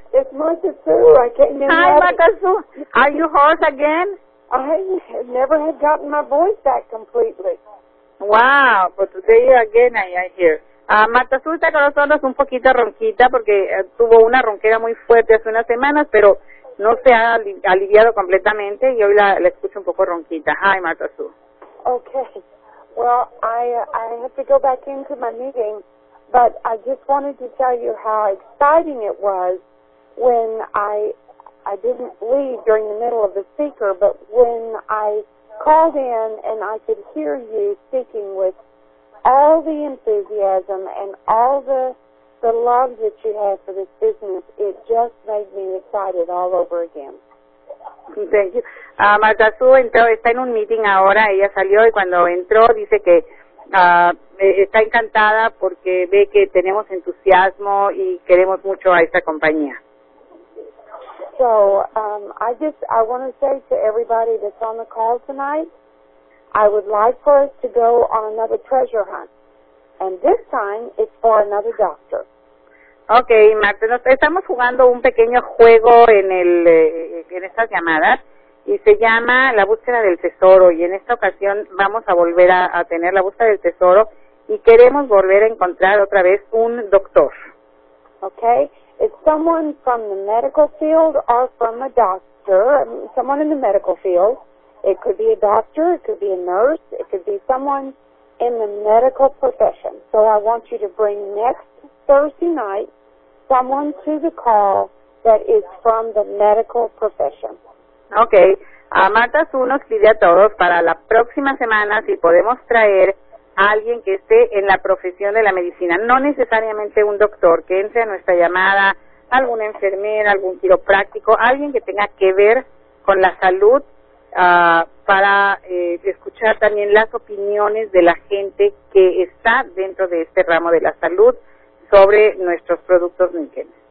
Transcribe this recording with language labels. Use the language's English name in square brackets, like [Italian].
[English] It's Marta Sue. I can't even hi, Marta Sue. Are you hoarse again? I never had gotten my voice back completely. Wow, but today again I hear. [Spanish] Marta Sue está con nosotros un poquito ronquita porque tuvo una ronquera muy fuerte hace unas semanas, pero no se ha aliviado completamente y hoy la escucho un poco ronquita. [English] Hi, Marta Sue. Okay. Well, I have to go back into my meeting, but I just wanted to tell you how exciting it was when I didn't leave during the middle of the speaker, but when I called in and I could hear you speaking with all the enthusiasm and all the love that you have for this business, it just made me excited all over again. Thank you. [Spanish] Marta Su está en un meeting ahora, ella salió y cuando entró dice que está encantada porque ve que tenemos entusiasmo y queremos mucho a esta compañía. [English] So, I want to say to everybody that's on the call tonight, I would like for us to go on another treasure hunt. And this time, it's for another doctor. [Spanish] Okay, Marta, estamos jugando un pequeño juego en estas llamadas y se llama La Búsqueda del Tesoro y en esta ocasión vamos a volver a tener La Búsqueda del Tesoro y queremos volver a encontrar otra vez un doctor. [English] Okay, it's someone from the medical field or from a doctor, someone in the medical field. It could be a doctor, it could be a nurse, it could be someone in the medical profession. So I want you to bring next Thursday night someone to the call that is from the medical profession. Okay. [Spanish] Marta Su nos pide a todos para la próxima semana si podemos traer a alguien que esté en la profesión de la medicina, no necesariamente un doctor, que entre a nuestra llamada, alguna enfermera, algún quiropráctico, alguien que tenga que ver con la salud para escuchar también las opiniones de la gente que está dentro de este ramo de la salud sobre nuestros productos Niken.